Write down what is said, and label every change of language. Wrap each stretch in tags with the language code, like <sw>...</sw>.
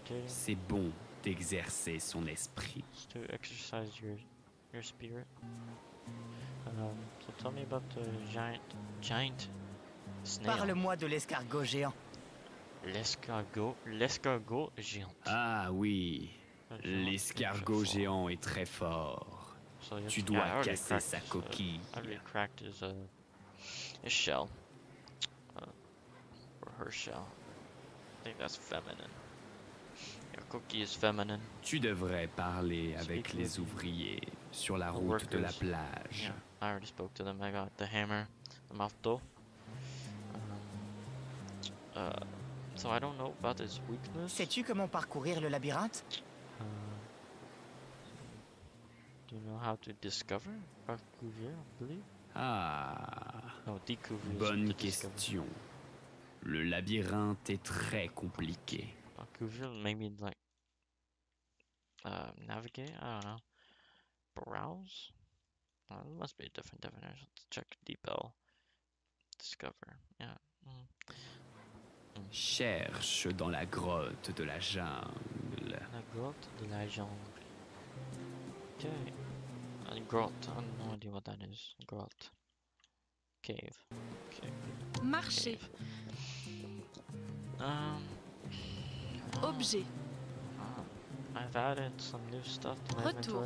<fr>C'est bon d'exercer son esprit.</fr> <en>To exercise your spirit. So tell me about the giant snail.</en> <fr>Parle-moi de l'escargot géant. L'escargot géant. Ah oui. L'escargot géant est très fort. So tu dois casser sa coquille.</fr> <en>I already cracked his shell. Or her shell. I think that's feminine. Your coquille is feminine.</en> <fr>Tu devrais parler avec les ouvriers sur la route</fr> <en>workers.</en> <fr>De la plage.</fr> <en>Yeah, I already spoke to them. I got the hammer, the marteau. So I don't know about his weakness.</en> <fr>Sais-tu comment parcourir le labyrinthe?</fr> <en>Do you know how to discover? Parcourir, I believe. Ah. No, découvrir.</en> <fr>Bonne question. Le labyrinthe est très compliqué.</fr> <en>Parcourir, maybe like navigate. I don't know. Browse. Oh, there must be a different definition. Let's check DeepL. Discover. Yeah.</en> <fr>Cherche dans la grotte de la jungle. La grotte de la jungle. Okay. A grotte.</fr> <en>I have no idea what that is. Grotte. Cave. Okay.</en> <fr>Marché.</fr> <en>Cave.</en> <fr>Objet.</fr> <en>I've added some new stuff to my</en> <fr>retour.</fr>